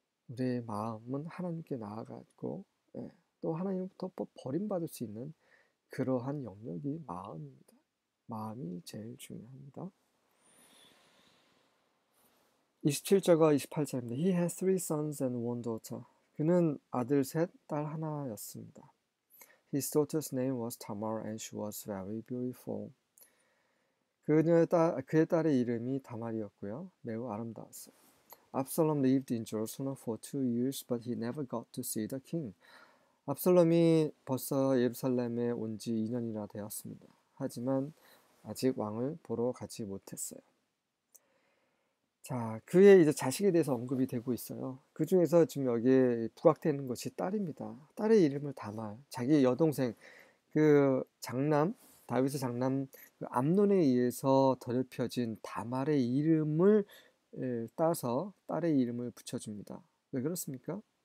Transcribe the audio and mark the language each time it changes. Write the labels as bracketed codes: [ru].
[ko] 우리의 마음은 하나님께 나아가고, 또 하나님부터 버림받을 수 있는 그러한 영역이 마음입니다. 마음이 제일 중요합니다. 27절과 28절입니다. [en] He has three sons and one daughter. [ko] 그는 아들 셋, 딸 하나였습니다. [en] His daughter's name was Tamar and she was very beautiful. [ko] 그의 딸의 이름이 다말이었고요. 매우 아름다웠어요. [en] Absalom lived in Jerusalem for 2 years, but he never got to see the king. [ko] 압살롬이 벌써 예루살렘에 온지 2년이나 되었습니다. 하지만 아직 왕을 보러 가지 못했어요. 자, 그의 이제 자식에 대해서 언급이 되고 있어요. 그 중에서 지금 여기에 부각되는 것이 딸입니다. 딸의 이름을 다말. 자기 여동생, 그 장남, 다윗의 장남, 그 암논에 의해서 더럽혀진 다말의 이름을 따서 딸의 이름을 붙여줍니다. 왜 그렇습니까?